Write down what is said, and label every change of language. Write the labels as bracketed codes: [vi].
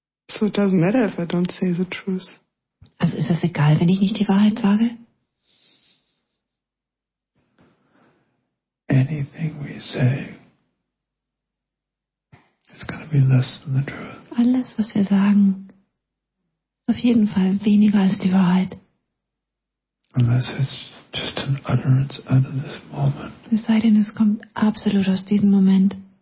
[en] So it doesn't matter if I don't say the truth. [de] Also ist es egal, wenn ich nicht die Wahrheit sage? [en] Anything we say is going to be less than the truth. [de] Alles, was wir sagen, ist auf jeden Fall weniger als die Wahrheit. [en] Unless it's just an utterance out of this moment. [de] Es sei denn, es kommt absolut aus diesem Moment.